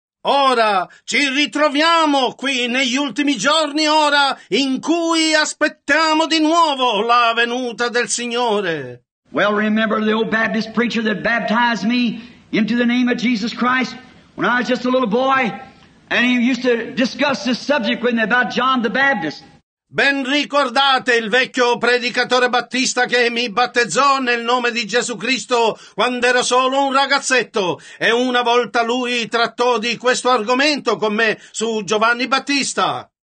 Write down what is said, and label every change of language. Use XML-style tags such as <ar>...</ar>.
<it>Ora ci ritroviamo qui negli ultimi giorni, ora in cui aspettiamo di nuovo la venuta del Signore.</it> <en>Well, remember the old Baptist preacher that baptized me into the name of Jesus Christ when I was just a little boy, and he used to discuss this subject with me about John the Baptist.</en> <it>Ben ricordate il vecchio predicatore battista che mi battezzò nel nome di Gesù Cristo quando ero solo un ragazzetto, e una volta lui trattò di questo argomento con me su Giovanni Battista.</it>